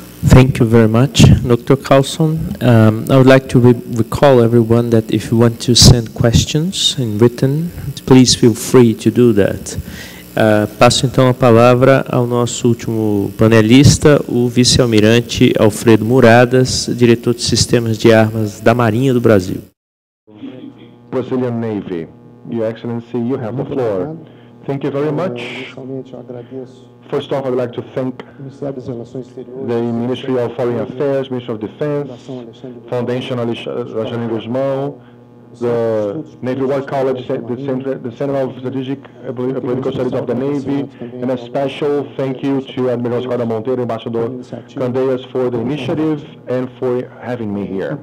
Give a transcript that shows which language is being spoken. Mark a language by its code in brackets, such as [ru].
[en] Thank you very much, Dr. Carlson. I would like to recall everyone that if you want to send questions in written, please feel free to do that. [pt] Passo então a palavra ao nosso último panelista, o vice-almirante Alfredo Muradas, diretor de sistemas de armas da Marinha do Brasil. [en] Brazilian Navy, Your Excellency, you have the floor. Thank you very much. First off, I would like to thank the Ministry of Foreign Affairs, Ministry of Defense, Foundation Alexandre Guzmão, the Navy War College, the Center of Strategic Political Studies of the Navy, and a special thank you to Admiral Ricardo Monteiro, Ambassador Candeias, for the initiative and for having me here.